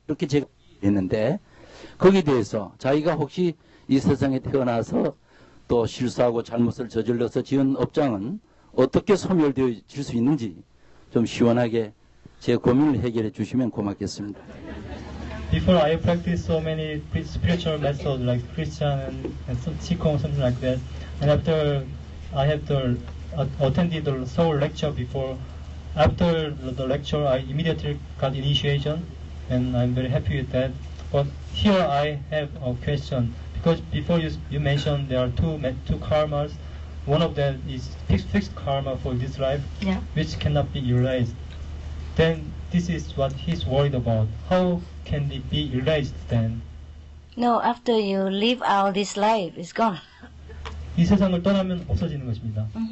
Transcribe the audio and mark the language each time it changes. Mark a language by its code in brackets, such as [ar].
[ko] 이렇게 제가 했는데 거기에 대해서 자기가 혹시 이 세상에 태어나서 또 실수하고 잘못을 저질러서 지은 업장은 어떻게 소멸될 수 있는지 좀 시원하게 제 고민을 해결해 주시면 고맙겠습니다. [en] Before I practice so many spiritual methods like Christian and Qigong something like that, and after I have to attended the soul lecture before, after the lecture I immediately got initiation, and I'm very happy with that. But here I have a question because before you mentioned there are two karmas, one of them is fixed karma for this life, yeah. which cannot be erased. Then this is what he's worried about. How can it be erased then? No, after you leave out this life, it's gone. [ko] 이 세상을 떠나면 없어지는 것입니다.